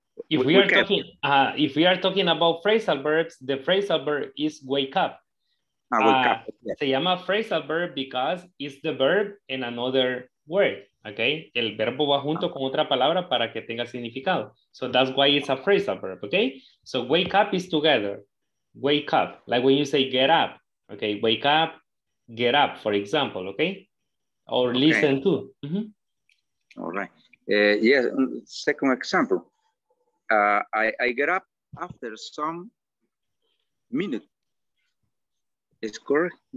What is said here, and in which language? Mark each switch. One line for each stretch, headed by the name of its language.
English: If we are talking, if we are talking about phrasal verbs, the phrasal verb is wake up. Wake up.
Spanish: Se llama
English: phrasal verb because it's the verb in another word, okay?
Spanish: El verbo va junto con otra palabra para que tenga significado.
English: So that's why it's a phrasal verb, okay? So wake up is together. Wake up, like when you say get up, okay? Wake up, get up, for example, okay? Or okay. listen to. Mm-hmm. All right. Yes, second example. I get up after some minutes. It's correct.